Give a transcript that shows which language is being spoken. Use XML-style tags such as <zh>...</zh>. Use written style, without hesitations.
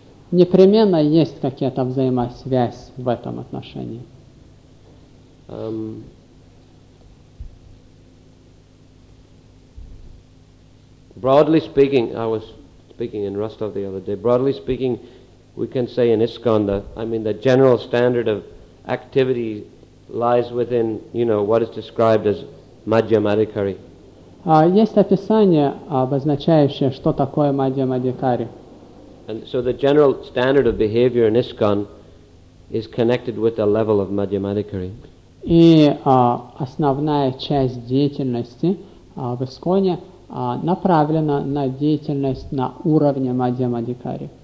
<ru>Непременно есть какая-то взаимосвязь в этом отношении.</ru> <en>Broadly speaking, I was speaking in Rostov the other day. Broadly speaking, we can say in ISKCON the general standard of activity lies within, you know, what is described as Madhyamadhikari.</en> <ru>Есть описание, обозначающее, что такое Мадхья Мадхикари.</ru> <en>And so the general standard of behavior in ISKCON is connected with the level of Мадхья Мадхикари.</en> <ru>И основная часть деятельности в ИСККОНе направлена на деятельность на уровне Мадхья Мадхикари.</ru>